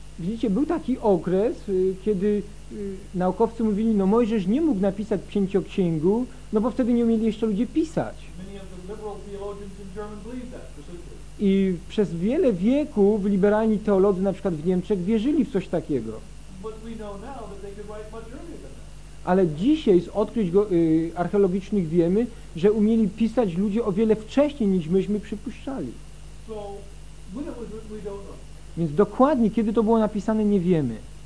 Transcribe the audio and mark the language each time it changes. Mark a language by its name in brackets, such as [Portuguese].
[Polish] Widzicie, był taki okres, kiedy naukowcy mówili, no Mojżesz nie mógł napisać pięcioksięgu, no bo wtedy nie umieli jeszcze ludzie pisać. [English] Many of the liberal theologians in German believed that, precisely. [Polish] I przez wiele wieków liberalni teolodzy, na przykład w Niemczech, wierzyli w coś takiego. [English] But we know now that they could write much earlier. [Polish] Ale dzisiaj z odkryć archeologicznych wiemy, że umieli pisać ludzie o wiele wcześniej niż myśmy przypuszczali. [English] So, when it was written, we don't know. [Polish] Więc dokładnie kiedy to było napisane, nie wiemy.